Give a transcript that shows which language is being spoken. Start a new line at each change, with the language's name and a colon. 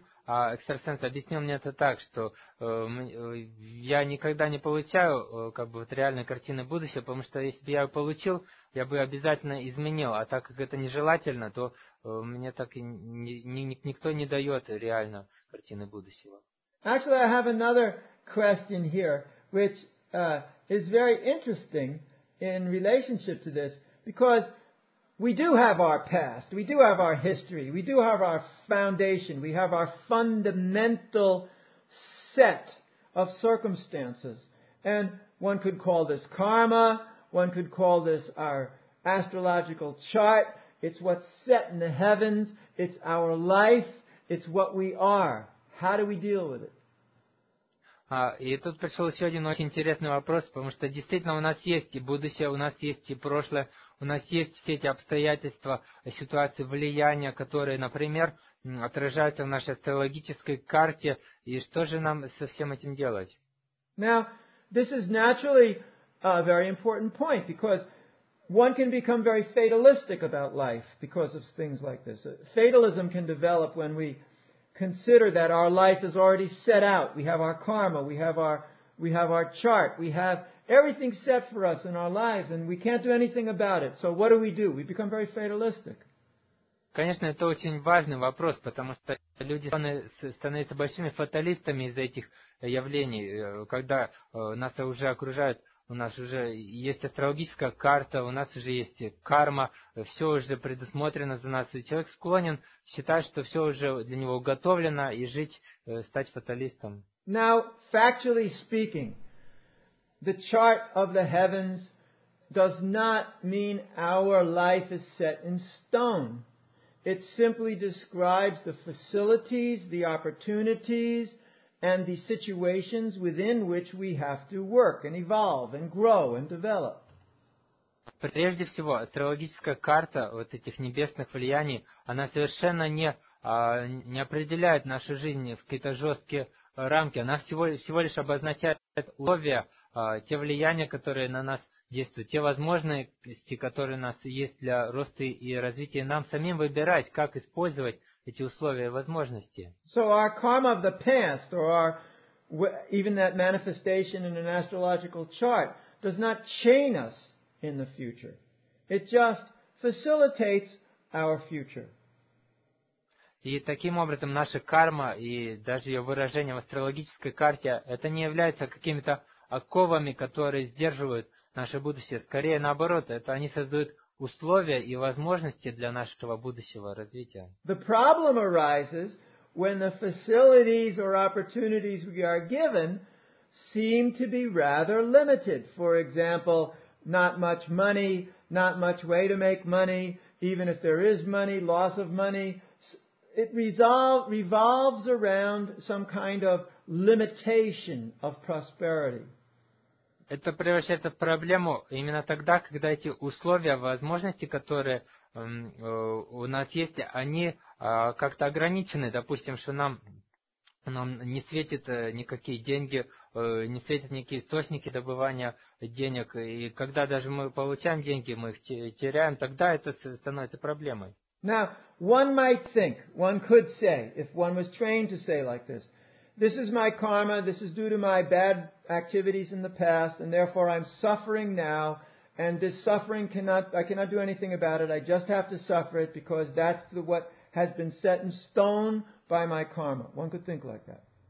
Russian: А экстрасенс объяснил мне это так, что я никогда не получаю как бы вот реальной картины будущего, потому что если бы я ее получил, я бы обязательно изменил, а так как это нежелательно, то мне так и никто не дает реально картины будущего.
English: Actually, I have another question here, which is very interesting in relationship to this, because we do have our past, we do have our history, we do have our foundation, we have our fundamental set of circumstances. And one could call this karma, one could call this our astrological chart, it's what's set in the heavens, it's our life, it's what we are. How do we deal with it?
Russian: И тут пришел еще один очень интересный вопрос, потому что действительно у нас есть и будущее, у нас есть и прошлое, у нас есть все эти обстоятельства, ситуации, влияния, которые, например, отражаются в нашей астрологической карте, и что же нам со всем этим делать?
English: Now, this is naturally a very important point, because one can become very fatalistic about life because of things like this. Fatalism can develop when we consider that our life is already set out. We have our karma, we have our chart, we have everything set for us in our lives, and we can't do anything about it. So what do? We become very fatalistic.
Russian: Конечно, это очень важный вопрос, потому что люди становятся большими фаталистами из-за этих явлений, когда нас уже окружают, у нас уже есть астрологическая карта, у нас уже есть карма, все уже предусмотрено за нас, и человек склонен считать, что все уже для него уготовлено, и стать фаталистом.
English: Now, factually speaking, the chart of the heavens does not mean our life is set in stone. It simply describes the facilities, the opportunities, and the situations within which we have to work and evolve and grow and develop.
Russian: Прежде всего, астрологическая карта вот этих небесных влияний, она совершенно не определяет нашу жизнь в какие-то жесткие рамки. Она всего лишь обозначает условия, те влияния, которые на нас действуют, те возможности, которые у нас есть для роста и развития. Нам самим выбирать, как использовать эти условия и возможности.
English: So our karma of the past, or our, even that manifestation in an astrological chart, does not chain us in the future. It just facilitates our future.
Russian: И таким образом наша карма и даже ее выражение в астрологической карте, это не является какими-то оковами, которые сдерживают наше будущее. Скорее наоборот, это они создают условия и возможности для нашего будущего развития.
English: The problem arises when the facilities or opportunities we are given seem to be rather limited. For example, not much money, not much way to make money, even if there is money, loss of money. It revolves around some kind of limitation of prosperity.
Russian: Это превращается в проблему именно тогда, когда эти условия, возможности, которые у нас есть, они как-то ограничены. Допустим, что нам не светит никакие деньги, не светят никакие источники добывания денег. И когда даже мы получаем деньги, мы их теряем, тогда это становится проблемой.
English: Now, one might think, one could say, if one was trained to say like this, this is my karma, this is due to my bad activities in the past, and therefore I'm suffering now, and this suffering I cannot do anything about it, I just have to suffer it, because that's what has been set in stone by my karma. One could think like that.